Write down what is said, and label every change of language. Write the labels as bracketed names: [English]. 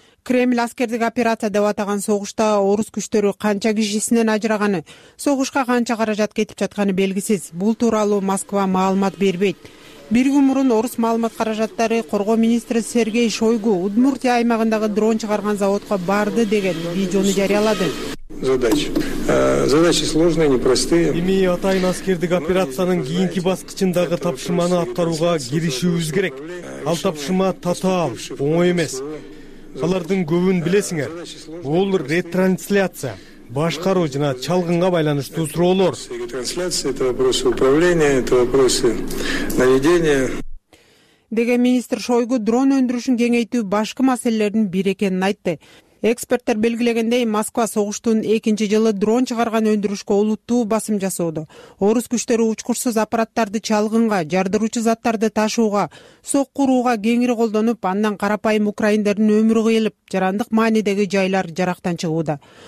[Kyrgyz] Кремль аскердик операция деп атаган согушта орус күчтөрү канча кишисинен ажыраганы, согушка канча каражат кетип жатканы белгисиз. Бул тууралуу Москва маалымат бербейт. Бир күн мурун орус маалымат каражаттары коргоо министри Сергей Шойгу Удмуртия аймагындагы дрон чыгарган заводко барды деген видеону жарыялады. [Russian] Задачи сложные, непростые. [Kyrgyz] Эми атайын аскердик операциянын кийинки баскычындагы тапшырманы аткарууга киришүүбүз керек. Ал тапшырма татаал, оңой эмес. Алардын көбүн билесиңер. Бул ретрансляция. Башкаруу жана чалгынга байланыштуу суроолор. [Russian] Трансляция это вопросы управления, это вопросы наведения. [Kyrgyz] Деген министр Шойгу дрон өндүрүшүн кеңейтүү башкы маселелердин бири экенин айтты. Эксперттер белгилегендей, Москва согуштун 2-нчи жылы дрон чыгарган өндүрүшкө олуттуу басым жасоодо. Орус күчтөрү учкучсуз аппараттарды чалгынга, жардыруучу заттарды ташууга, соккурууга кеңири колдонуп, андан карапайым украиндердин өмүрү кыйылып, жарандык маанидеги жайлар жарактан чыгууда.